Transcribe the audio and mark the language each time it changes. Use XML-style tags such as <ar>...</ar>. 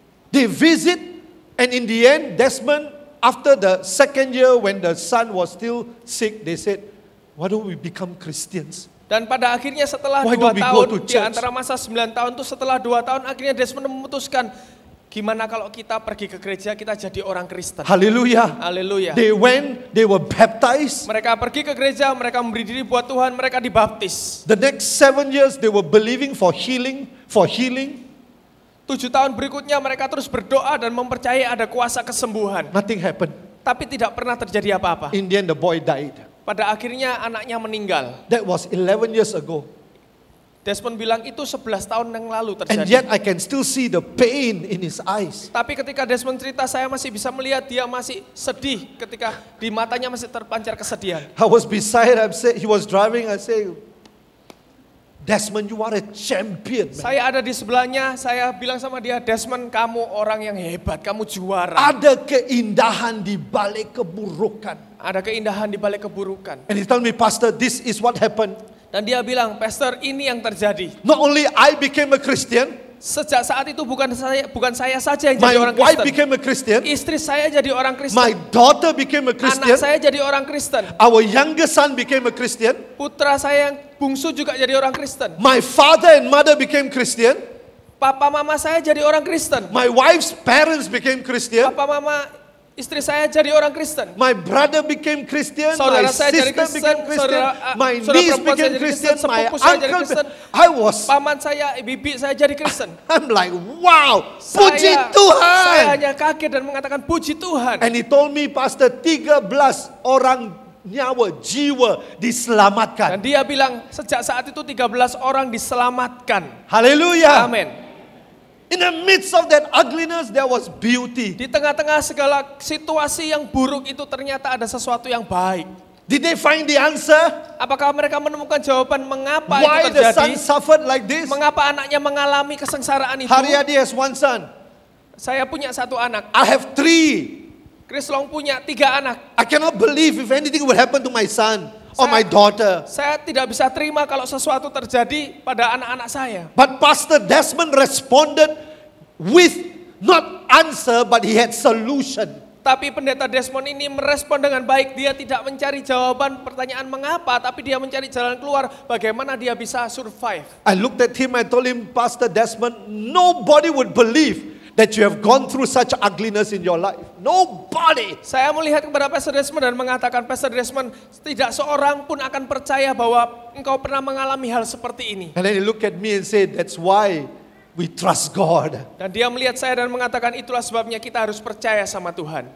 <en>They visit, and in the end, Desmond, after the second year when the son was still sick, they said, why don't we become Christians?</en> <id>Dan pada akhirnya setelah 2 tahun, di antara masa 9 tahun itu setelah 2 tahun, akhirnya Desmond memutuskan, gimana kalau kita pergi ke gereja, kita jadi orang Kristen. Haleluya. Haleluya.</id> <en>They went, they were baptized.</en> <id>Mereka pergi ke gereja, mereka memberi diri buat Tuhan, mereka dibaptis.</id> <en>The next 7 years, they were believing for healing, for healing.</en> <id>7 tahun berikutnya, mereka terus berdoa dan mempercayai ada kuasa kesembuhan.</id> <en>Nothing happened.</en> <id>Tapi tidak pernah terjadi apa-apa.</id> <en>In the end, the boy died.</en> <id>Pada akhirnya anaknya meninggal.</id> <en>That was 11 years ago.</en> <id>Desmond bilang itu 11 tahun yang lalu terjadi.</id> <en>And yet I can still see the pain in his eyes.</en> <id>Tapi ketika Desmond cerita, saya masih bisa melihat dia masih sedih ketika di matanya masih terpancar kesedihan.</id> <en>I was beside him. He was driving. I say, Desmond, you are a champion, man.</en> <id>Saya ada di sebelahnya, saya bilang sama dia, Desmond, kamu orang yang hebat, kamu juara. Ada keindahan di balik keburukan. Ada keindahan di balik keburukan.</id> <en>And he told me, Pastor, this is what happened.</en> <id>Dan dia bilang, Pastor, ini yang terjadi.</id> <en>Not only I became a Christian.</en> <id>Sejak saat itu bukan saya saja yang jadi orang Kristen.</id> <en>My wife became a Christian.</en> <id>Istri saya jadi orang Kristen.</id> <en>My daughter became a Christian.</en> <id>Anak saya jadi orang Kristen.</id> <en>Our youngest son became a Christian.</en> <id>Putra saya yang bungsu juga jadi orang Kristen.</id> <en>My father and mother became Christian.</en> <id>Papa mama saya jadi orang Kristen.</id> <en>My wife's parents became Christian.</en> <id>Papa mama istri saya jadi orang Kristen.</id> <en>My brother became Christian.</en> <id>Saudara</id> <en>my</en> <id>saya jadi Kristen.</id> <en>Became Christian.</en> <id>Saudara,</id> <en>my niece became Christian. My uncle</en> <id>saya jadi Kristen.</id> <en>I was.</en> <id>Paman saya, bibi saya jadi Kristen.</id> <en>I'm like, wow,</en> <id>puji Tuhan. Saya hanya kaget dan mengatakan puji Tuhan.</id> <en>And he told me, Pastor, 13</en> <id>orang nyawa, jiwa diselamatkan. Dan dia bilang, sejak saat itu 13 orang diselamatkan. Haleluya. Amen.</id> <en>In the midst of that ugliness, there was beauty.</en> <id>Di tengah-tengah segala situasi yang buruk itu ternyata ada sesuatu yang baik.</id> <en>Did they find the answer?</en> <id>Apakah mereka menemukan jawaban mengapa</id> <en>why</en> <id>itu terjadi?</id> <en>Why the son suffered like this?</en> <id>Mengapa anaknya mengalami kesengsaraan itu?</id> <en>Haryadi has one son.</en> <id>Saya punya satu anak.</id> <en>I have three.</en> <id>Chris Long punya tiga anak.</id> <en>I cannot believe if anything would happen to my son. Or my daughter.</en> <id>Saya tidak bisa terima kalau sesuatu terjadi pada anak-anak saya.</id> <en>But Pastor Desmond responded with not answer, but he had solution.</en> <id>Tapi pendeta Desmond ini merespon dengan baik. Dia tidak mencari jawaban pertanyaan mengapa, tapi dia mencari jalan keluar bagaimana dia bisa survive.</id> <en>I looked at him. I told him, Pastor Desmond, nobody would believe that you have gone through such ugliness in your life. Nobody.</en> <id>Saya melihat kepada Pastor Desmond dan mengatakan, Pastor Desmond, tidak seorang pun akan percaya bahwa engkau pernah mengalami hal seperti ini.</id> <en>And then he looked at me and said, that's why we trust God.</en> <id>Dan dia melihat saya dan mengatakan, itulah sebabnya kita harus percaya sama Tuhan.</id>